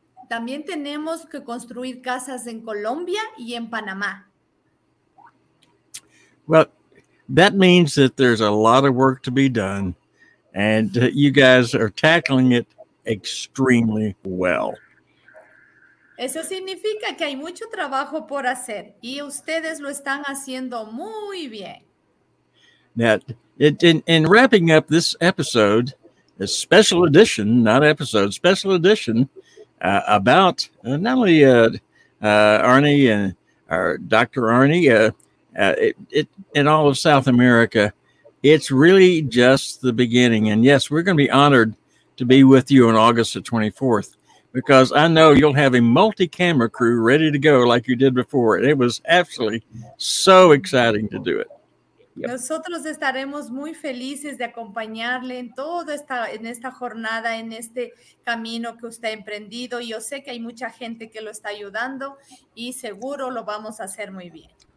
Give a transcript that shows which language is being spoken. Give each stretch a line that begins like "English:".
Spanish: También tenemos que construir casas en Colombia y en Panamá.
English: Well, that means that there's a lot of work to be done, and you guys are tackling it extremely well. Eso significa que hay mucho trabajo por hacer, y ustedes lo están haciendo muy bien. Now, in wrapping up this episode, a special edition, not episode, special edition, about not only Arnie and Dr. Arnie, in all of South America, it's really just the beginning. And yes, we're going to be honored to be with you on August the 24th, because I know you'll have a multi-camera crew ready to go like you did before. And it was absolutely so exciting to do it. Yep.
Spanish: Nosotros estaremos muy felices de acompañarle en toda esta, en esta jornada, en este camino que usted ha emprendido. Yo sé que hay mucha gente que lo está ayudando y seguro lo vamos a hacer muy bien.